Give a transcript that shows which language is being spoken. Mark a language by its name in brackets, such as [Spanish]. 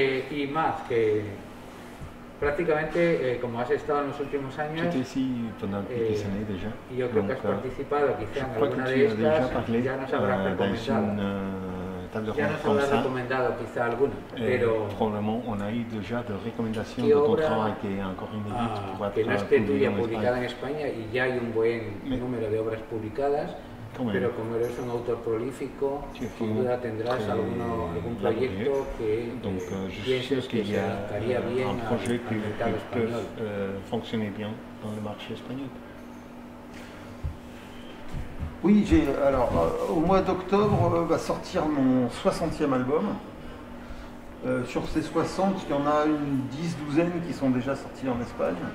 [Spanish] Y más, que prácticamente, como has estado en los últimos años, yo creo que has participado quizá en alguna de estas, ya nos habrás recomendado. Ya nos habrá recomendado quizá alguna, pero [French] probablement on a eu déjà de recommandations de ton travail qui est encore inédite pour être [Spanish] publicada en España, y ya hay un buen número de obras publicadas, pero como eres un autor prolífico, sin duda tendrás algún proyecto que pienses que estaría bien en el mercado español. [French] Fonctionner bien dans le marché espagnol. Oui, au mois d'octobre va sortir mon 60e album. Sur ces 60, il y en a une 10-12 qui sont déjà sortis en Espagne.